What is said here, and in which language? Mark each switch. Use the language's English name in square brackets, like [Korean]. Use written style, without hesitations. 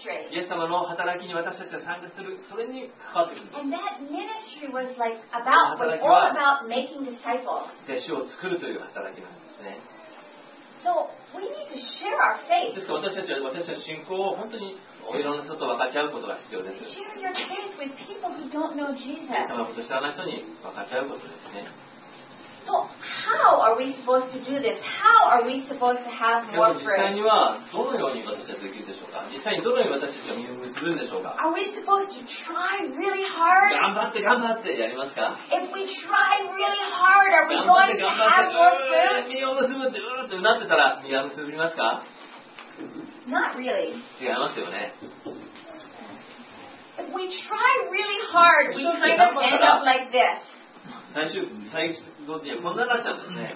[Japanese] イエス様の働きに私たちは参加する、それに関わっているんです。 [English] And that ministry was like about, was all about making disciples. [Japanese] 弟子を作るという働きなんですね。 [English] So we need to share our faith. [Japanese] ですから私たちは私たちの信仰を本当にお色の人と分かち合うことが必要です。 [English] Share your faith with people who don't know Jesus. [Japanese] イエス様のことを知らない人に分かち合うことですね。 [English] So how are we supposed to do this? How are we supposed to have more fruit? [Japanese] 実際にはどのように私たちできるでしょうか。実際にどのように私たちは実を結ぶんでしょうか。 [English] Are we supposed to try really hard? [Japanese] 頑張って頑張ってやりますか。 [English] If we try really hard, are we going to have more fruit? [Japanese] 頑張って頑張って実を結ぶってうーってなってたら実を結びますか。 [English] Not really. [Japanese] 違いますよね。 [English] If we try really hard, we kind of end up like this. [Japanese] 最初こんな感じなんですね。